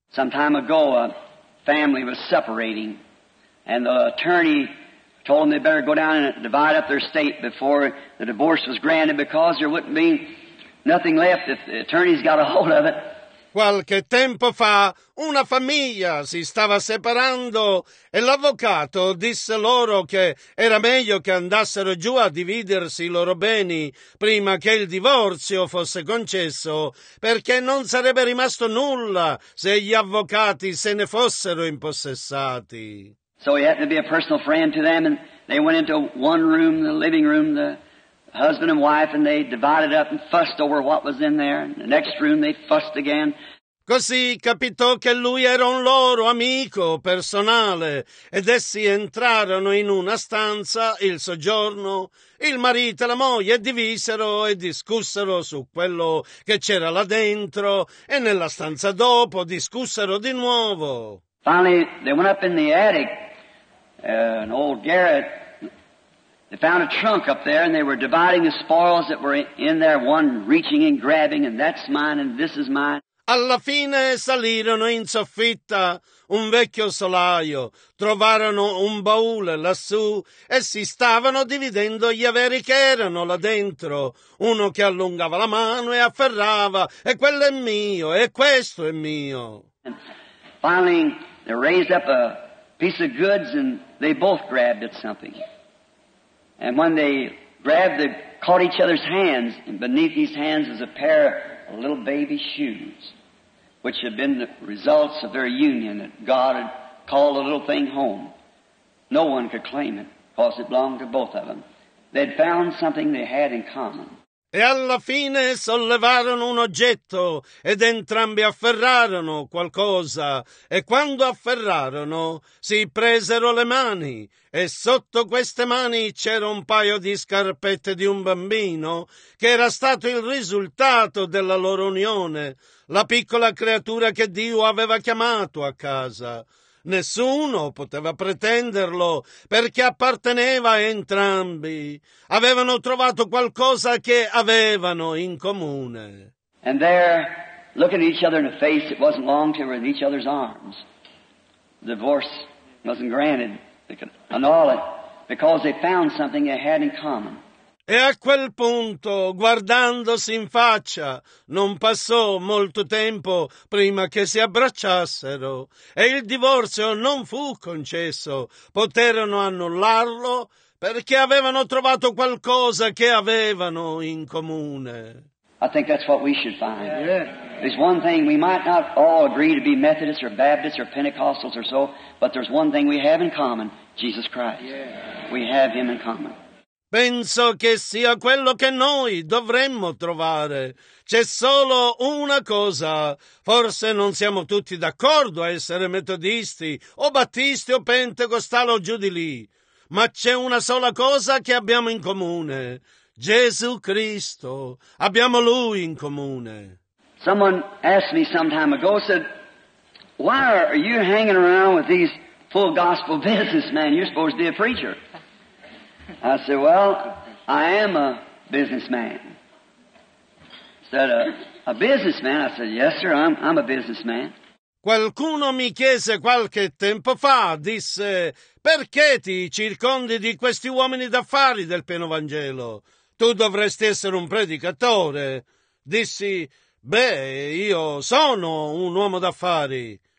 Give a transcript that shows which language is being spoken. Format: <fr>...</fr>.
<en>Some time ago, a family was separating. And the attorney told them they better go down and divide up their estate before the divorce was granted because there wouldn't be nothing left if the attorneys got a hold of it.</en> <it>Qualche tempo fa, una famiglia si stava separando e l'avvocato disse loro che era meglio che andassero giù a dividersi i loro beni prima che il divorzio fosse concesso, perché non sarebbe rimasto nulla se gli avvocati se ne fossero impossessati.</it> <en>So he happened to be a personal friend to them, and they went into one room, the living room, the husband and wife, and they divided up and fussed over what was in there. In the next room, they fussed again.</en> <it>Così capitò che lui era un loro amico personale, ed essi entrarono in una stanza, il soggiorno, il marito e la moglie divisero e discussero su quello che c'era là dentro, e nella stanza dopo discussero di nuovo.</it> <en>Finally, they went up in the attic, an old garret. They found a trunk up there, and they were dividing the spoils that were in there, one reaching and grabbing, and that's mine, and this is mine.</en> <it>Alla fine salirono in soffitta un vecchio solaio, trovarono un baule lassù e si stavano dividendo gli averi che erano là dentro. Uno che allungava la mano e afferrava, e quello è mio, e questo è mio.</it> <en>Finally, they raised up a piece of goods and they both grabbed at something. And when they grabbed, they caught each other's hands, and beneath these hands was a pair of little baby shoes, which had been the results of their union, that God had called a little thing home. No one could claim it, because it belonged to both of them. They'd found something they had in common.</en> <it>E alla fine sollevarono un oggetto, ed entrambi afferrarono qualcosa, e quando afferrarono, si presero le mani, e sotto queste mani c'era un paio di scarpette di un bambino, che era stato il risultato della loro unione, la piccola creatura che Dio aveva chiamato a casa. Nessuno poteva pretenderlo, perché apparteneva a entrambi. Avevano trovato qualcosa che avevano in comune.</it> <en>And there, looking at each other in the face, it wasn't long till we were in each other's arms. The divorce wasn't granted. They could annul it, because they found something they had in common.</en> <it>E a quel punto, guardandosi in faccia, non passò molto tempo prima che si abbracciassero, e il divorzio non fu concesso. Poterono annullarlo perché avevano trovato qualcosa che avevano in comune.</it> <en>I think that's what we should find. There's one thing, we might not all agree to be Methodists or Baptists or Pentecostals or so, but there's one thing we have in common, Jesus Christ. We have him in common.</en> <it>Penso che sia quello che noi dovremmo trovare. C'è solo una cosa. Forse non siamo tutti d'accordo a essere metodisti, o battisti, o pentecostali, o giù di lì. Ma c'è una sola cosa che abbiamo in comune. Gesù Cristo. Abbiamo Lui in comune.</it> <en>Someone asked me some time ago, said, why are you hanging around with these full gospel businessmen? You're supposed to be a preacher. I said, well, I am a businessman. Said, a businessman? I said, yes, sir, I'm a businessman.</en> <it>Qualcuno mi chiese qualche tempo fa, disse, perché ti circondi di questi uomini d'affari del pieno Vangelo? Tu dovresti essere un predicatore. Dissi, beh, io sono un uomo d'affari.</it>